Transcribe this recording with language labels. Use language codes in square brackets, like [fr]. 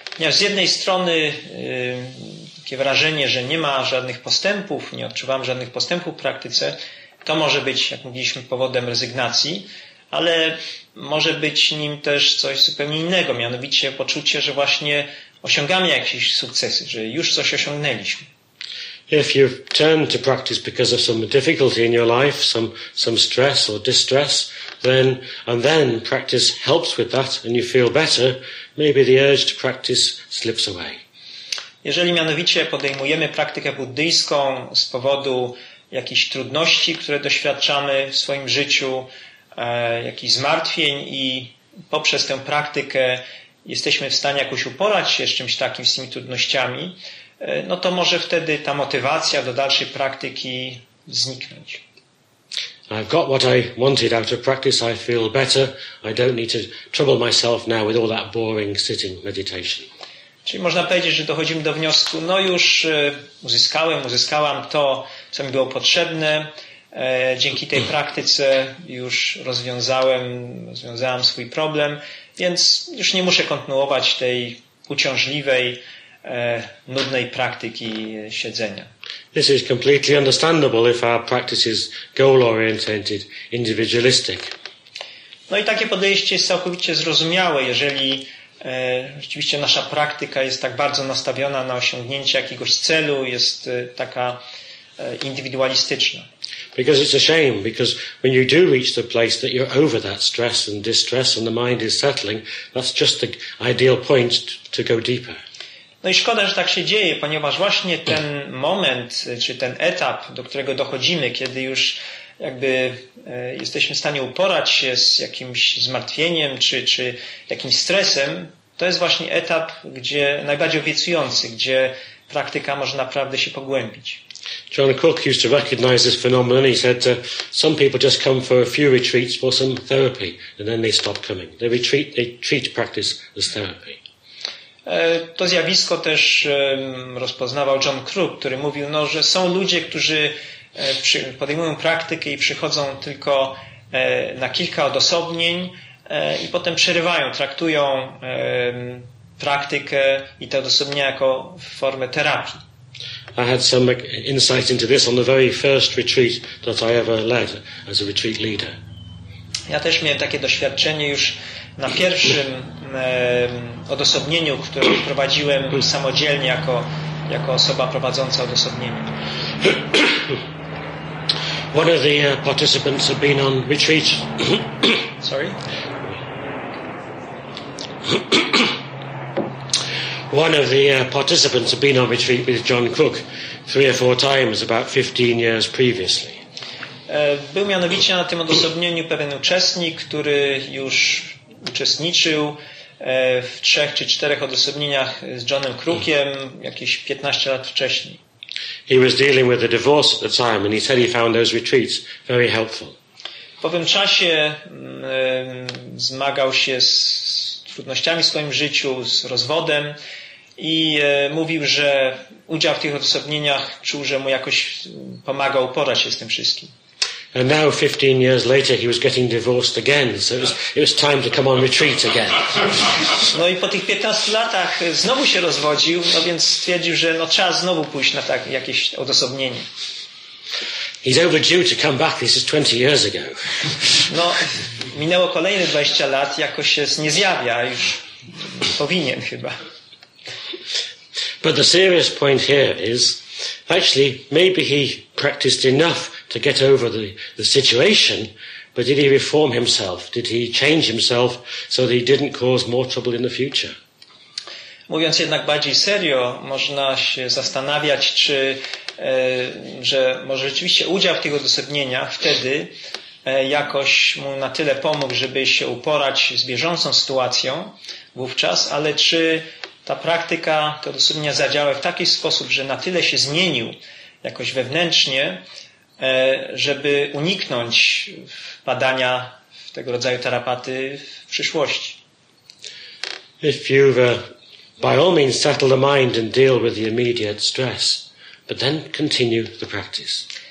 [pl] Z jednej strony takie wrażenie, że nie ma żadnych postępów, nie odczuwam żadnych postępów w praktyce, to może być, jak mówiliśmy, powodem rezygnacji, ale może być nim też coś zupełnie innego, mianowicie poczucie, że właśnie osiągamy jakieś sukcesy, że już coś osiągnęliśmy. [en] If you turn to practice because of some difficulty in your life, some stress or distress, then practice helps with that and you feel better, maybe the urge to practice slips away. [pl] Jeżeli mianowicie podejmujemy praktykę buddyjską z powodu jakichś trudności, które doświadczamy w swoim życiu, jakichś zmartwień i poprzez tę praktykę jesteśmy w stanie jakoś uporać się z czymś takim, z tymi trudnościami, no to może wtedy ta motywacja do dalszej praktyki zniknąć. [en] I've got what I wanted out of practice, I feel better, I don't need to trouble myself now with all that boring sitting meditation. [pl] Czyli można powiedzieć, że dochodzimy do wniosku, no już uzyskałam to, co mi było potrzebne, dzięki tej praktyce już rozwiązałem swój problem, więc już nie muszę kontynuować tej uciążliwej nudnej praktyki siedzenia. [en] This is completely understandable if our practice is goal-oriented, individualistic. [pl] No i takie podejście jest całkowicie zrozumiałe, jeżeli rzeczywiście nasza praktyka jest tak bardzo nastawiona na osiągnięcie jakiegoś celu, jest taka indywidualistyczna. [en] Because it's a shame, because when you do reach the place that you're over that stress and distress and the mind is settling, that's just the ideal point to go deeper. [pl] No i szkoda, że tak się dzieje, ponieważ właśnie ten moment, czy ten etap, do którego dochodzimy, kiedy już jakby jesteśmy w stanie uporać się z jakimś zmartwieniem, czy jakimś stresem, to jest właśnie etap, gdzie najbardziej obiecujący, gdzie praktyka może naprawdę się pogłębić. [en] John Cook used to recognize this phenomenon. He said that some people just come for a few retreats for some therapy, and then they stop coming. They treat practice as therapy. [pl] To zjawisko też rozpoznawał John Crook, który mówił, no, że są ludzie, którzy podejmują praktykę i przychodzą tylko na kilka odosobnień i potem przerywają, traktują praktykę i te odosobnienia jako formę terapii. [en] I had some insight into this on the very first retreat that I ever led as a retreat leader. [pl] Ja też miałem takie doświadczenie już na pierwszym odosobnieniu, które prowadziłem samodzielnie jako osoba prowadząca odosobnienie. [en] One of the participants had been on retreat. Sorry. One of the participants had been on retreat with John Cook 3 or 4 times about 15 years previously. [pl] Był mianowicie na tym odosobnieniu pewien uczestnik, który już uczestniczył w 3 czy 4 odosobnieniach z Johnem Crookiem jakieś 15 lat wcześniej. [en] He was dealing with a divorce at the time and he said he found those retreats very helpful. [pl] W pewnym czasie zmagał się z trudnościami w swoim życiu, z rozwodem i mówił, że udział w tych odosobnieniach czuł, że mu jakoś pomaga uporać się z tym wszystkim. [en] And now 15 years later he was getting divorced again, so it was time to come on retreat again. [pl] No i po tych 15 latach znowu się rozwodził, no więc stwierdził, że no trzeba znowu pójść na tak jakieś odosobnienie. [en] He's overdue to come back, this is 20 years ago. [pl] No, minęło kolejne 20 lat, jakoś się nie zjawia, już powinien chyba. [en] But the serious point here is, actually, maybe he practiced enough to get over the situation, but did he reform himself? Did he change himself so that he didn't cause more trouble in the future? [pl] Mówiąc jednak bardziej serio, można się zastanawiać, czy że może rzeczywiście udział w tych odosobnieniach wtedy jakoś mu na tyle pomógł, żeby się uporać z bieżącą sytuacją wówczas, ale czy ta praktyka, te odosobnienia zadziałały w taki sposób, że na tyle się zmienił jakoś wewnętrznie, żeby uniknąć wpadania w tego rodzaju tarapaty w przyszłości. [en] If you've by all means settle the mind and deal with the immediate stress, but then continue the practice.